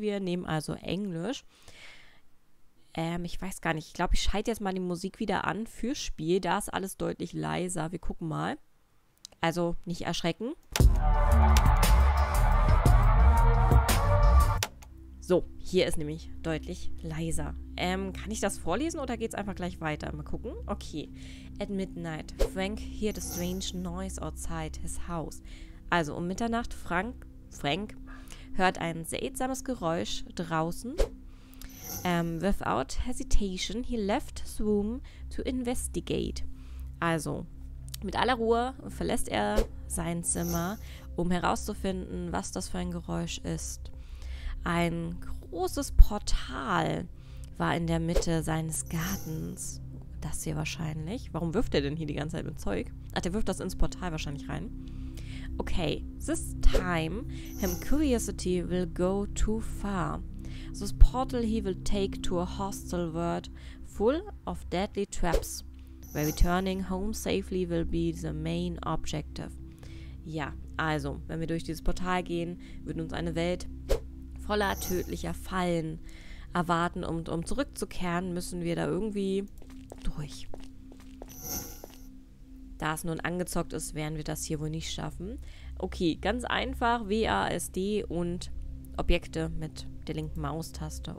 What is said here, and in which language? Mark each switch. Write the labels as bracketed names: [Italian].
[German] Wir nehmen also Englisch. Ich weiß gar nicht. Ich glaube, ich schalte jetzt mal die Musik wieder an fürs Spiel. Da ist alles deutlich leiser. Wir gucken mal. Also, nicht erschrecken. So, hier ist nämlich deutlich leiser. Kann ich das vorlesen oder geht es einfach gleich weiter? Mal gucken. Okay. [English] At midnight, Frank heard a strange noise outside his house. [German] Also, um Mitternacht, Frank hört ein seltsames Geräusch draußen. [English] Without hesitation, he left his room to investigate. [German] Also, mit aller Ruhe verlässt er sein Zimmer, um herauszufinden, was das für ein Geräusch ist. Ein großes Portal war in der Mitte seines Gartens. Das hier wahrscheinlich. Warum wirft er denn hier die ganze Zeit mit Zeug? Ach, der wirft das ins Portal wahrscheinlich rein. [English] Okay, this time, his curiosity will go too far. This portal he will take to a hostile world full of deadly traps, where returning home safely will be the main objective. [German] Ja, also, wenn wir durch dieses Portal gehen, wird uns eine Welt voller tödlicher Fallen erwarten. Und um zurückzukehren, müssen wir da irgendwie durch. Da es nun angezockt ist, werden wir das hier wohl nicht schaffen. Okay, ganz einfach, WASD und Objekte mit der linken Maustaste.